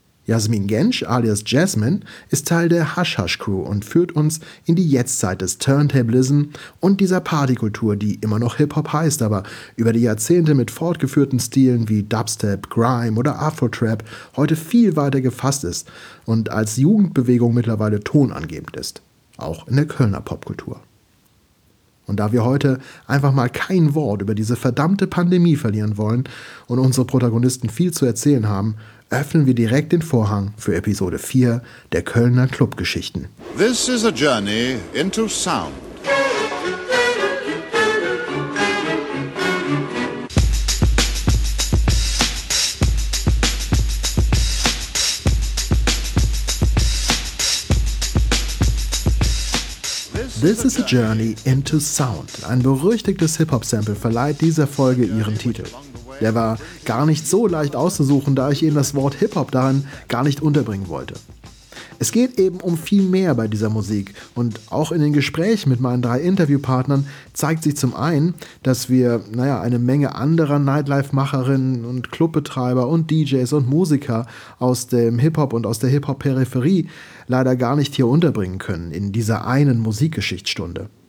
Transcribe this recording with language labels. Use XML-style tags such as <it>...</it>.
<de>Jasmin Gensch alias Jasmine ist Teil der Hush Hush Crew und führt uns in die Jetztzeit des Turntablism und dieser Partykultur, die immer noch Hip-Hop heißt, aber über die Jahrzehnte mit fortgeführten Stilen wie Dubstep, Grime oder Afro-Trap heute viel weiter gefasst ist und als Jugendbewegung mittlerweile tonangebend ist, auch in der Kölner Popkultur. Und da wir heute einfach mal kein Wort über diese verdammte Pandemie verlieren wollen und unsere Protagonisten viel zu erzählen haben, öffnen wir direkt den Vorhang für Episode 4 der Kölner Clubgeschichten.</de> <en>This is a journey into sound. This is a journey into sound.</en> <de>Ein berüchtigtes Hip-Hop-Sample verleiht dieser Folge ihren Titel. Der war gar nicht so leicht auszusuchen, da ich eben das Wort Hip-Hop darin gar nicht unterbringen wollte. Es geht eben um viel mehr bei dieser Musik und auch in den Gesprächen mit meinen 3 Interviewpartnern zeigt sich zum einen, dass wir, eine Menge anderer Nightlife-Macherinnen und Clubbetreiber und DJs und Musiker aus dem Hip-Hop und aus der Hip-Hop-Peripherie leider gar nicht hier unterbringen können in dieser einen Musikgeschichtsstunde.</de>